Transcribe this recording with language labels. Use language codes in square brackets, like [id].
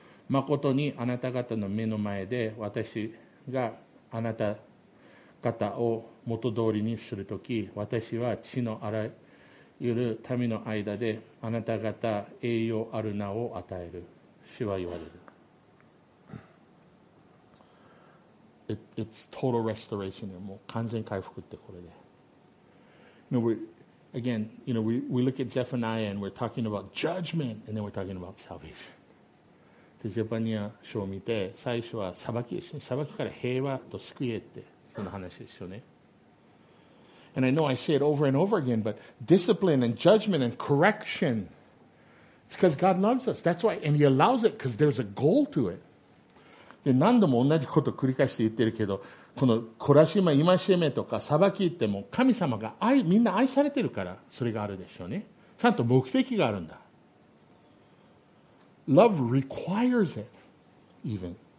[ja] まことにあなた方の目の前で私があなた方を元通りにするとき、私は地のあらゆる民の間であなた方栄誉ある名を与える。主は言われる。 [en] It's total restoration. [ja] もう完全回復ってこれで。 [en] You know, again, you know, we look at Zephaniah and we're talking about judgment and then we're talking about salvation. [ja] でゼパニア書を見て、最初は裁きですね。裁きから平和と救いへってその話ですよね。 [en] And I know I say it over and over again, but discipline and judgment and correction, it's because God loves us. That's why, and He allows it because there's a goal to it. [ja] で何度も同じことを繰り返して言ってるけど、この懲らしめ、戒めとか裁きっても神様が愛、みんな愛されてるからそれがあるでしょうね。ちゃんと目的があるんだ。 [en] Love requires it even。